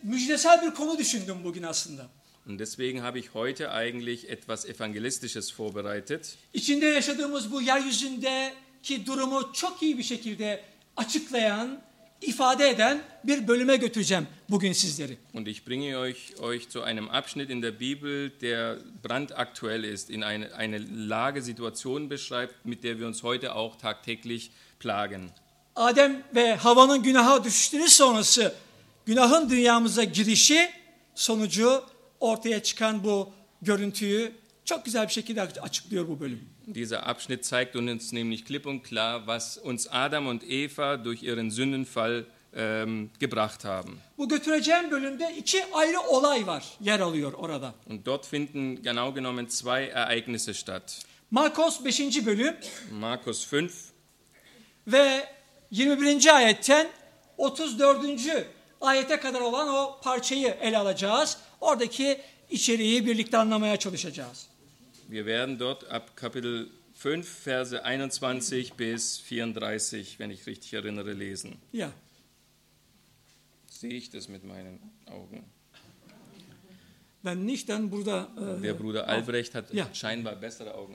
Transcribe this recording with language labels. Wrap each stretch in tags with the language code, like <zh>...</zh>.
<tr>Müjdesel bir konu düşündüm bugün aslında.</tr> <de>Und deswegen habe ich heute eigentlich etwas Evangelistisches vorbereitet.</de> <tr>İçinde yaşadığımız bu yeryüzündeki durumu çok iyi bir şekilde açıklayan, ifade eden bir bölüme götüreceğim bugün sizleri.</tr> <de>Und ich bringe euch zu einem Abschnitt in der Bibel, der brandaktuell ist, in eine Lage, Situation beschreibt, mit der wir uns heute auch tagtäglich plagen.</de> <tr>Adem ve Havva'nın günaha düştüğü sonrası, günahın dünyamıza girişi sonucu ortaya çıkan bu görüntüyü çok güzel bir şekilde açıklıyor bu bölüm.</tr> <de>Dieser Abschnitt zeigt uns nämlich klipp und klar, was uns Adam und Eva durch ihren Sündenfall gebracht haben.</de> <tr>Bu götüreceğim bölümde iki ayrı olay var, yer alıyor orada.</tr> <de>Und dort finden genau genommen zwei Ereignisse statt.</de> <tr>Markus 5. bölüm.</tr> <de>Markus 5.</de> <tr>Ve 21. ayetten 34. ayete kadar olan o parçayı ele alacağız. Oradaki içeriği birlikte anlamaya çalışacağız.</tr> <de>Wir werden dort ab Kapitel 5, Verse 21 bis 34, wenn ich richtig erinnere, lesen. Ja. Sehe ich das mit meinen Augen? Wenn nicht, dann Bruder... Der Bruder Albrecht hat ja scheinbar bessere Augen</de>